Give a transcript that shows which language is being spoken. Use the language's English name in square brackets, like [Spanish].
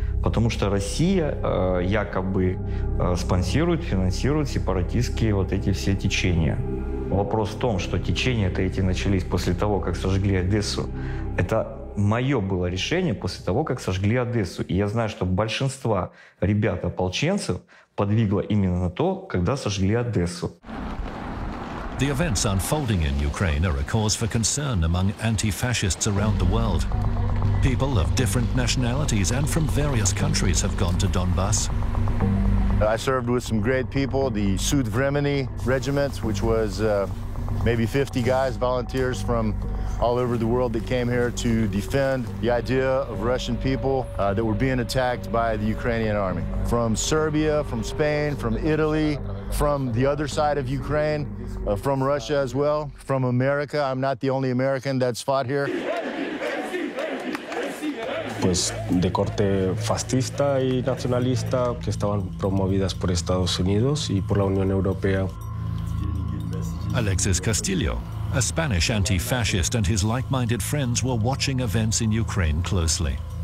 [Russian] Потому что Россия якобы спонсирует, финансирует сепаратистские вот эти все течения. Вопрос в том, что течения-то эти начались после того, как сожгли Одессу. Это мое было решение после того, как сожгли Одессу. И я знаю, что большинство ребят-ополченцев подвигло именно на то, когда сожгли Одессу. [English] The events unfolding in Ukraine are a cause for concern among anti-fascists around the world. People of different nationalities and from various countries have gone to Donbass. I served with some great people, the Sud Vremeni regiment, which was maybe 50 guys, volunteers from all over the world that came here to defend the idea of Russian people that were being attacked by the Ukrainian army. From Serbia, from Spain, from Italy, from the other side of Ukraine, from Russia as well, from America. I'm not the only American that's fought here. [Spanish] Pues de corte fascista y nacionalista que estaban promovidas por Estados Unidos y por la Unión Europea. [English] Alexis Castillo, a Spanish anti-fascist, and his like-minded friends were watching events in Ukraine closely.